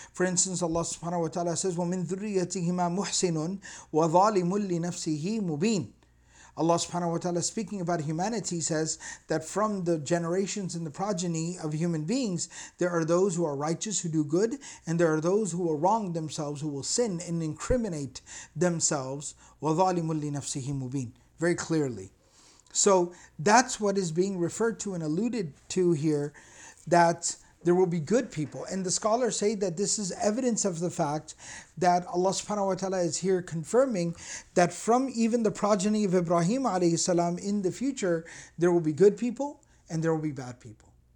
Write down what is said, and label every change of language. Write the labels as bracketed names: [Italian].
[English] For instance, Allah subhanahu wa ta'ala says, [Arabic] وَمِن ذُرِّيَّتِهِمَا مُحْسِنٌ وَظَالِمٌ لِنَفْسِهِ مُبِينٌ [English] Allah subhanahu wa ta'ala speaking about humanity says that from the generations and the progeny of human beings, there are those who are righteous, who do good, and there are those who will wrong themselves, who will sin and incriminate themselves. [Arabic] وَظَالِمٌ لِنَفْسِهِ مُبِينٌ [English] Very clearly. So that's what is being referred to and alluded to here, that there will be good people. And the scholars say that this is evidence of the fact that Allah subhanahu wa ta'ala is here confirming that from even the progeny of Ibrahim alayhi salam in the future, there will be good people and there will be bad people.